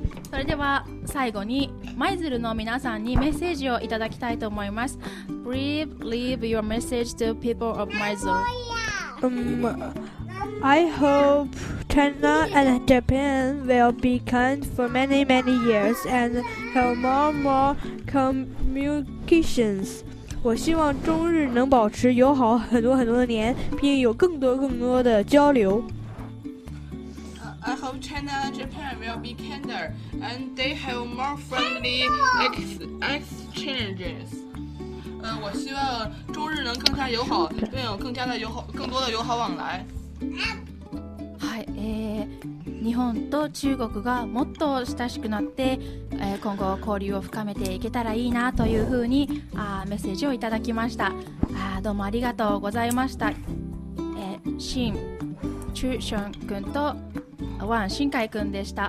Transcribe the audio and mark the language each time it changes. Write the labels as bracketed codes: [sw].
[ja] それでは最後にマイズルの皆さんにメッセージをいただきたいと思います。 [en] Please leave your message to people of Mizu. I hope China and Japan will be kind for many, many years and have more and more communications. [zh] 我希望中日能保持友好很多很多的年，并有更多更多的交流。 [en] I hope China and Japan will be kinder and they have more friendly exchanges. [zh] 我希望中日能更加友好，并有更加的友好，更多的友好往来。 [ja] 嗨，日本と中国がもっと親しくなって、今後交流を深めていけたらいいなというふうにメッセージをいただきました。どうもありがとうございました。シン、チュション君と。ワン、新海くんでした。